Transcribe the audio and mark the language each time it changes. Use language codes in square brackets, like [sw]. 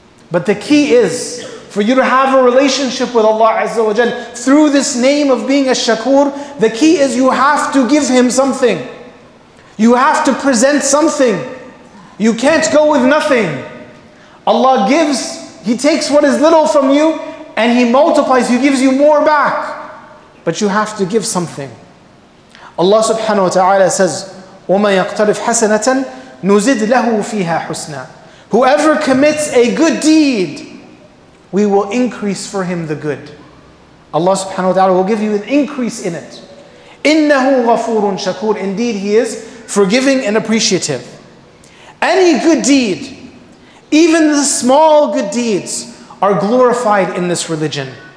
[en] But the key is for you to have a relationship with Allah Azza wa Jal through this name of being a shakur. The key is you have to give Him something. You have to present something. You can't go with nothing. Allah gives, He takes what is little from you and He multiplies, He gives you more back. But you have to give something. [ar] Allah subhanahu wa ta'ala says, وَمَا يَقْتَرِفْ حَسَنَةً نُزِدْ لَهُ فِيهَا حُسْنًا. [en] Whoever commits a good deed, we will increase for him the good. Allah subhanahu wa ta'ala will give you an increase in it. [ar] إِنَّهُ غَفُورٌ شَكُورٌ. [en] Indeed, He is forgiving and appreciative. Any good deed, even the small good deeds, are glorified in this religion.